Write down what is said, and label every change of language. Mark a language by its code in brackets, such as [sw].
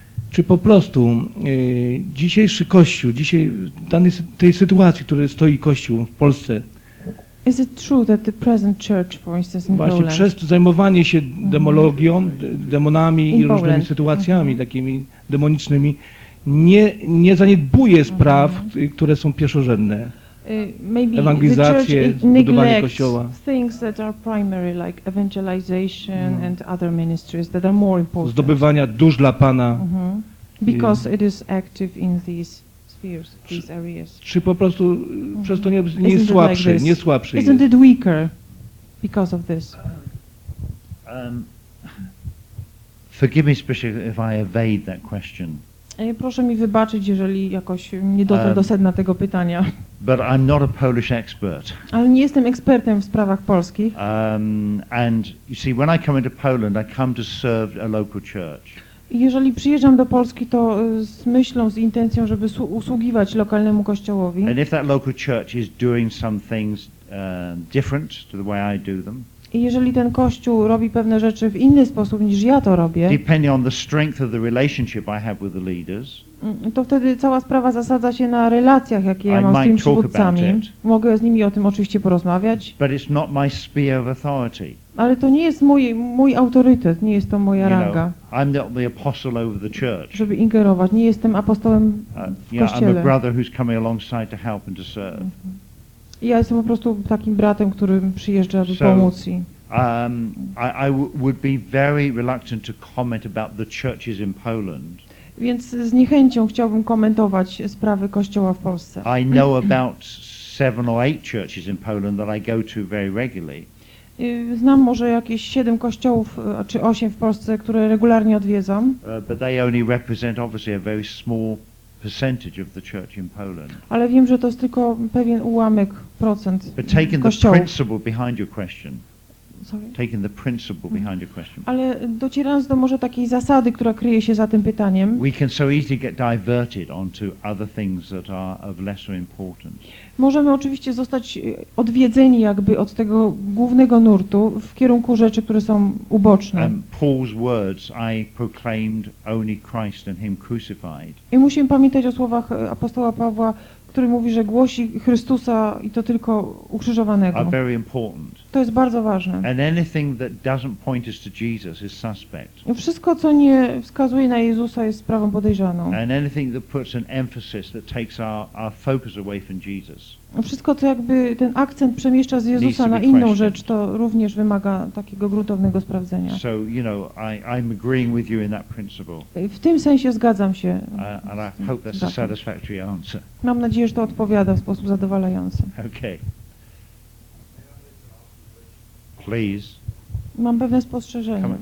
[pl] Czy po prostu dzisiejszy Kościół, dzisiaj w danej tej sytuacji, w której stoi Kościół w Polsce, [en] is it true that the present church, for instance, in [pl] właśnie [en] Poland, [pl] przez to zajmowanie się demologią, demonami i różnymi Poland sytuacjami takimi demonicznymi, nie zaniedbuje spraw, które są pierwszorzędne. [en] Maybe [pl] ewangelizacje, [en] the church [pl] budowanie Kościoła. [en] Things that are primary, like evangelization and other ministries that are more important. [pl] Zdobywania dusz dla Pana. [en] Because it is active in these spheres, these areas. [pl] Czy po prostu przez to nie [en] isn't [pl] słabszy, [en] like [pl] nie słabszy [en] isn't [pl] jest. [en] It weaker because of this? Forgive me, especially if I evade that question. [pl] Proszę mi wybaczyć, jeżeli jakoś nie dotrę do sedna tego pytania. [en] But I'm not a Polish expert. [pl] Ale nie jestem ekspertem w sprawach polskich. [en] And you see, when I come into Poland, I come to serve a local church. [pl] Jeżeli przyjeżdżam do Polski, to z myślą, z intencją, żeby usługiwać lokalnemu kościołowi. [en] And if that local church is doing some things different to the way I do them. [pl] I jeżeli ten kościół robi pewne rzeczy w inny sposób niż ja to robię. [en] Depending on the strength of the relationship I have with the leaders. [pl] To wtedy cała sprawa zasadza się na relacjach, jakie ja mam z tymi przywódcami. Mogę z nimi o tym oczywiście porozmawiać. [en] But it's not my sphere of authority. [pl] Ale to nie jest mój autorytet, nie jest to moja ranga. [en] You know, I'm not the apostle over the church. [pl] Żeby ingerować, nie jestem apostołem w kościele. [en] Yeah, I'm a brother who's coming alongside to help and to serve. [pl] Ja jestem po prostu takim bratem, który przyjeżdża, żeby pomóc. [en] I would be very reluctant to comment about the churches in Poland. [pl] Więc z niechęcią chciałbym komentować sprawy Kościoła w Polsce. [en] I know about 7 or 8 churches in Poland that I go to very regularly. [pl] Znam może jakieś 7 kościołów, czy 8 w Polsce, które regularnie odwiedzam. [en] But they only represent obviously a very small percentage of the church in Poland. [pl] Ale wiem, że to jest tylko pewien ułamek procent [en] but taking [pl] kościołów. [en] The principle behind your question. Sorry. Taking the principle behind your question. [pl] Ale docierając do może takiej zasady, która kryje się za tym pytaniem. [en] We can so easily get diverted onto other things that are of lesser importance. [pl] Możemy oczywiście zostać odwiedzeni jakby od tego głównego nurtu w kierunku rzeczy, które są uboczne. [en] Paul's words, I proclaimed only Christ and him crucified. [pl] I musimy pamiętać o słowach apostoła Pawła, który mówi, że głosi Chrystusa i to tylko ukrzyżowanego. [en] Are very important. [pl] To jest bardzo ważne. [en] And anything that doesn't point us to Jesus is suspect. [pl] Wszystko, co nie wskazuje na Jezusa, jest sprawą podejrzaną. [en] And anything that puts an emphasis that takes our focus away from Jesus. [pl] Wszystko, co jakby ten akcent przemieszcza z Jezusa na inną rzecz, to również wymaga takiego gruntownego sprawdzenia. [en] So, you know, I'm agreeing with you in that principle. [pl] W tym sensie zgadzam się. [en] And I hope that's a satisfactory answer. [pl] Mam nadzieję, że to odpowiada w sposób zadowalający. [en] Okay. Please. [pl] Mam pewne spostrzeżenie.